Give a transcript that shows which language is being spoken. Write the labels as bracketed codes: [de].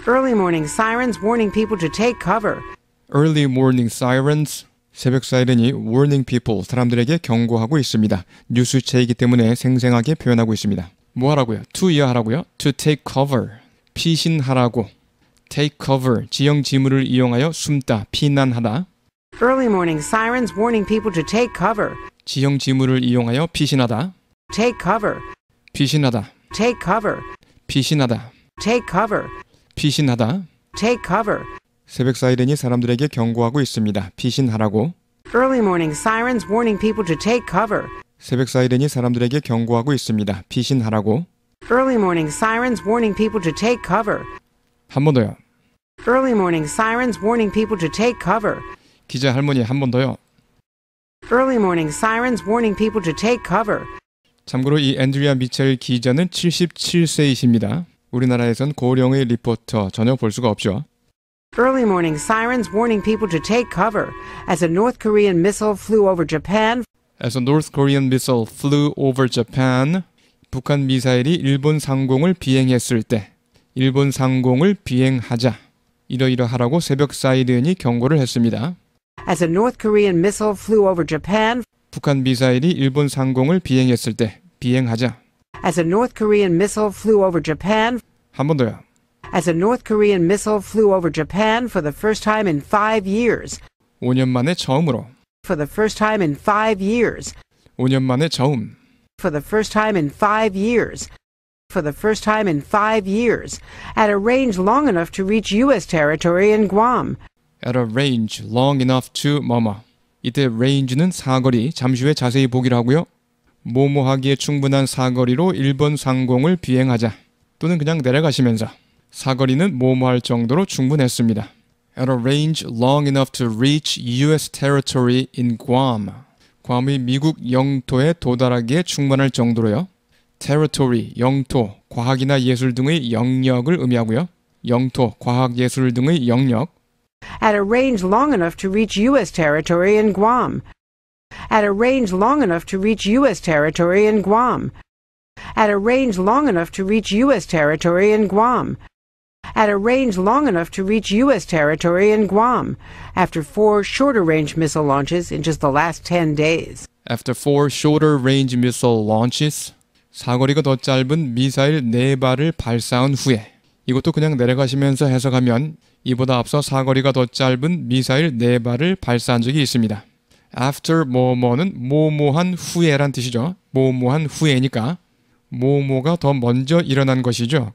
[en] Early morning sirens warning people to take cover. Early morning sirens. [ko] 새벽 사이렌이 [en] warning people, [ko] 사람들에게 경고하고 있습니다. 뉴스체이기 때문에 생생하게 표현하고 있습니다. 뭐하라고요? [en] To [ko] 이어하라고요? [en] To take cover. [ko] 피신하라고. [en] Take cover. [ko] 지형지물을 이용하여 숨다, 피난하다. [en] Early morning sirens warning people to take cover. [ko] 지형지물을 이용하여 피신하다. [en] Take cover. [ko] 피신하다. [en] Take cover. [ko] 피신하다. [en] Take cover. [ko] 피신하다. [en] Take cover. [ko] 새벽 사이렌이 사람들에게 경고하고 있습니다. 피신하라고. [en] Early morning sirens warning people to take cover. [ko] 새벽 사이렌이 사람들에게 경고하고 있습니다. 피신하라고. [en] Early morning sirens warning people to take cover. [ko] 한 번 더요. [en] Early morning sirens warning people to take cover. [ko] 기자 할머니 한 번 더요. [en] Early morning sirens warning people to take cover. [ko] 참고로 이 앤드리아 미첼 기자는 77세이십니다. 우리나라에선 고령의 리포터 전혀 볼 수가 없죠. [en] Early morning sirens warning people to take cover as a North Korean missile flew over Japan. As a North Korean missile flew over Japan. [ko] 북한 미사일이 일본 상공을 비행했을 때. 일본 상공을 비행하자. 이러이러하라고 새벽 사이렌이 경고를 했습니다. [en] As a North Korean missile flew over Japan. [ko] 북한 미사일이 일본 상공을 비행했을 때. 비행하자. [en] As a North Korean missile flew over Japan. [ko] 한 번 더요. [en] As a North Korean missile flew over Japan for the first time in 5 years. [ko] 5년 만에 처음으로. [en] For the first time in 5 years. [ko] 5년 만에 처음. [en] For the first time in 5 years. For the first time in 5 years. At a range long enough to reach US territory in Guam. At a range long enough to 뭐뭐. [ko] 이때 range는 사거리. 잠시 후에 자세히 보기로 하고요. 뭐뭐하기에 충분한 사거리로 일본 상공을 비행하자. 또는 그냥 내려가시면서. 사거리는 뭐뭐할 정도로 충분했습니다. [en] At a range long enough to reach US territory in Guam. [ko] 괌이 미국 영토에 도달하기에 충분할 정도로요. Territory, 영토, 과학이나 예술 등의 영역을 의미하고요. 영토, 과학, 예술 등의 영역. [en] At a range long enough to reach US territory in Guam. At a range long enough to reach US territory in Guam. At a range long enough to reach US territory in Guam. At a range long enough to reach U.S. territory in Guam, after 4 shorter-range missile launches in just the last 10 days. After 4 shorter-range missile launches, [ko] 사거리가 더 짧은 미사일 4발을 발사한 후에, 이것도 그냥 내려가시면서 해석하면, 이보다 앞서 사거리가 더 짧은 미사일 4발을 발사한 적이 있습니다. After 뭐뭐는 뭐뭐한 후에란 뜻이죠. 뭐뭐한 후에니까, 뭐뭐가 더 먼저 일어난 것이죠.